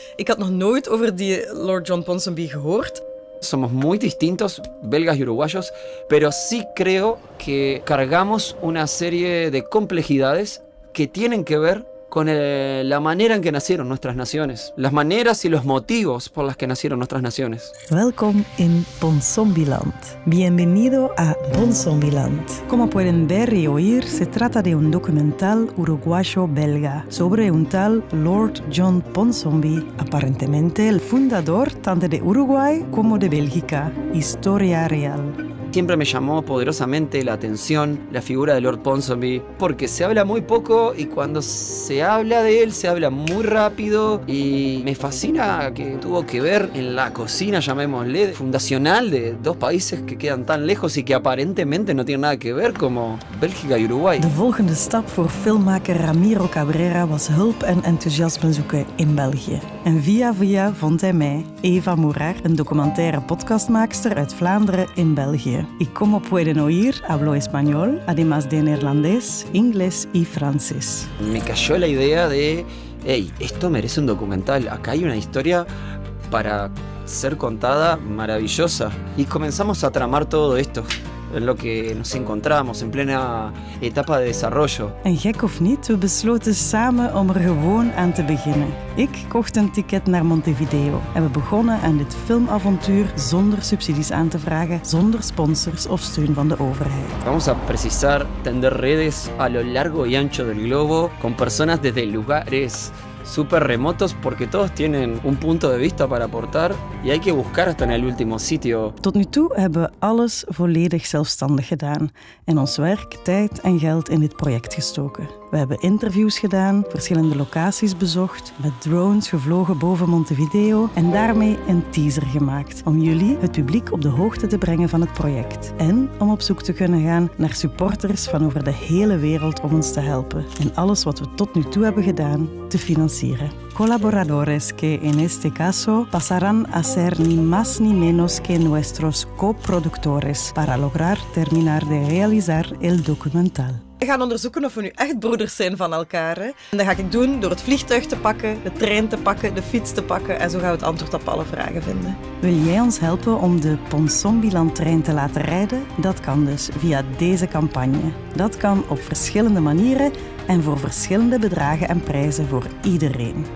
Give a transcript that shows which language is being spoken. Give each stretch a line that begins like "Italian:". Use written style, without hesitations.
Dutch: Ik had nog nooit over die Lord John Ponsonby gehoord.
Spanish: Somos muy distintos, belgas y uruguayos, pero sí creo que cargamos una serie de complejidades que tienen que ver con la manera en que nacieron nuestras naciones, las maneras y los motivos por las que nacieron nuestras naciones.
Dutch: Welkom in Ponsonbyland.
Spanish: Bienvenido a Ponsonbyland. Como pueden ver y oír, se trata de un documental uruguayo-belga sobre un tal Lord John Ponsonby, aparentemente el fundador tanto de Uruguay como de Bélgica. Historia real. Siempre me llamó poderosamente la atención la figura de Lord Ponsonby, porque se habla muy poco y cuando se habla de él se habla muy rápido y me fascina que tuvo que ver en la cocina, llamémosle, fundacional de dos países que quedan tan lejos y que aparentemente no tienen nada que ver como Bélgica y Uruguay.
Dutch: De volgende stap voor filmmaker Ramiro Cabrera was hulp en enthousiasme zoeken in België. En via via vond hij mij, Eva Murar, een documentaire podcastmaakster uit Vlaanderen in België.
Spanish: Y como pueden oír, hablo español, además de neerlandés, inglés y francés. Me cayó la idea de, hey, esto merece un documental, acá hay una historia para ser contada maravillosa. Y comenzamos a tramar todo esto. En lo que nos encontramos en plena etapa de desarrollo.
Dutch: En gek of niet, we besloten samen om er gewoon aan te beginnen. Ik kocht een ticket naar Montevideo en we begonnen aan dit filmavontuur zonder subsidies aan te vragen, zonder sponsors of steun van de overheid.
Spanish: Vamos a precisar tender redes a lo largo y ancho del globo con personas desde lugares super remotos, porque todos tienen un punto de vista para aportar y hay que buscar hasta en el último sitio.
Dutch: Tot nu toe hebben we alles volledig zelfstandig gedaan en ons werk, tijd en geld in dit project gestoken. We hebben interviews gedaan, verschillende locaties bezocht, met drones gevlogen boven Montevideo en daarmee een teaser gemaakt om jullie, het publiek, op de hoogte te brengen van het project. En om op zoek te kunnen gaan naar supporters van over de hele wereld om ons te helpen en alles wat we tot nu toe hebben gedaan te financieren.
Spanish: Colaboradores que en este caso pasarán a ser ni más ni menos que nuestros coproductores para lograr terminar de realizar el documental.
Dutch: We gaan onderzoeken of we nu echt broeders zijn van elkaar. Hè? En dat ga ik doen door het vliegtuig te pakken, de trein te pakken, de fiets te pakken. En zo gaan we het antwoord op alle vragen vinden. Wil jij ons helpen om de Ponsonbyland-trein te laten rijden? Dat kan dus via deze campagne. Dat kan op verschillende manieren en voor verschillende bedragen en prijzen voor iedereen.